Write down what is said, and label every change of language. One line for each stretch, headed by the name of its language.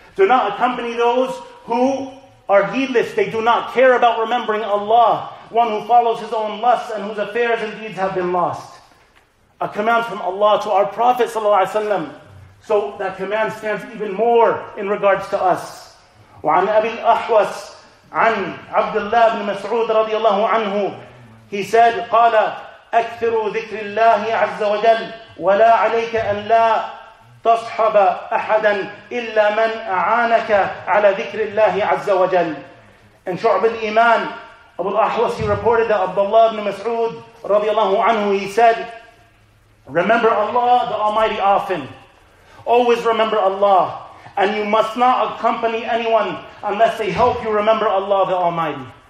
English: Do not accompany those who are heedless. They do not care about remembering Allah, one who follows his own lusts and whose affairs and deeds have been lost. A command from Allah to our Prophet sallallahu alaihi wasallam. So that command stands even more in regards to us.
Arabic: وعن أبي الأحوص عن عبد الله بن مسعود رضي الله عنه.
English: He said,
Arabic: قال أكثروا ذكر الله عز وجل ولا عليك أن لا تصحب أحدا إلا من أعانك على ذكر الله عز وجل.
English: In شعب الإيمان, أبو الأحوص, he reported that عبد الله بن مسعود
Arabic: رضي الله عنه,
English: he said, remember Allah the Almighty often. Always remember Allah, and you must not accompany anyone unless they help you remember Allah the Almighty.